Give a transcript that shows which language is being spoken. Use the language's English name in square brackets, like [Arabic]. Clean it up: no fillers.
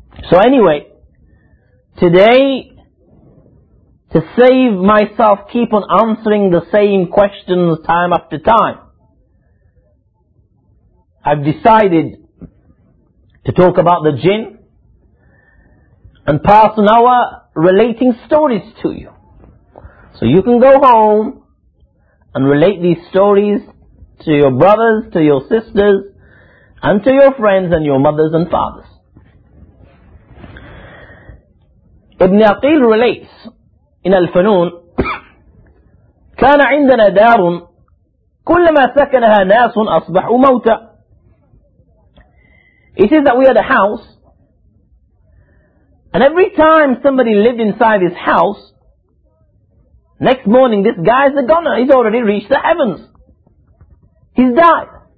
[English] So anyway, today, to save myself, keep on answering the same questions time after time, I've decided to talk about the jinn and pass an hour relating stories to you. So you can go home and relate these stories to your brothers, to your sisters, and to your friends and your mothers and fathers. Ibn Aqil relates in Al-Funun, [Arabic] كان عندنا دار كلما سكنها ناس أصبحوا موتى. [English] He says that we had a house, and every time somebody lived inside his house, next morning this guy's a goner, he's already reached the heavens. He's died.